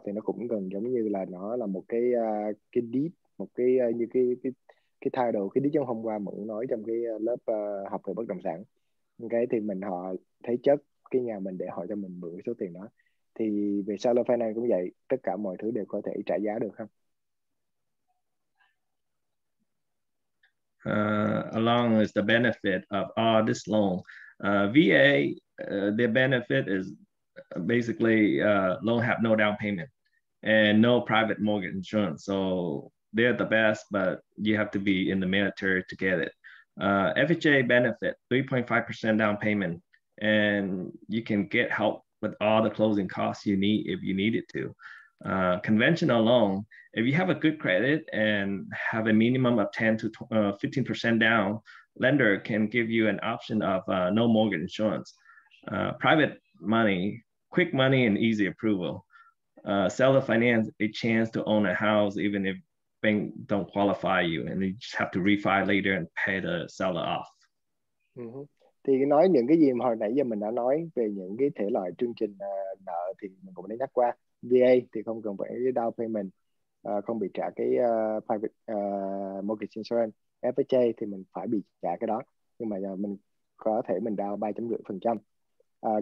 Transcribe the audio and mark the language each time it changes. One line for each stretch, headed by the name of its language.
Vietnamese: Thì nó cũng gần giống như là nó là một cái deed, một cái như cái thay đổi cái deed trong hôm qua Mượn nói trong cái lớp học về bất động sản. Ok, thì mình họ thế chấp cái nhà mình để họ cho mình mượn cái số tiền đó. Thì về seller finance cũng vậy, tất cả mọi thứ đều có thể trả giá được không?
English: Along with the benefit of all this loan, VA, their benefit is basically loan have no down payment and no private mortgage insurance. So they're the best, but you have to be in the military to get it. FHA benefit, 3.5% down payment, and you can get help with all the closing costs you need if you needed to. Conventional loan, if you have a good credit and have a minimum of 10 to 15% down, lender can give you an option of no mortgage insurance. Private money, quick money and easy approval. Seller finance, a chance to own a house even if bank don't qualify you and you just have to refi later and pay the seller off.
Vietnamese: Thì nói những cái gì mà hồi nãy giờ mình đã nói về những cái thể loại chương trình nợ thì mình cũng đã nhắc qua. VA thì không cần phải down payment, không bị trả cái private mortgage insurance. FHA thì mình phải bị trả cái đó, nhưng mà mình có thể mình down 3.5%.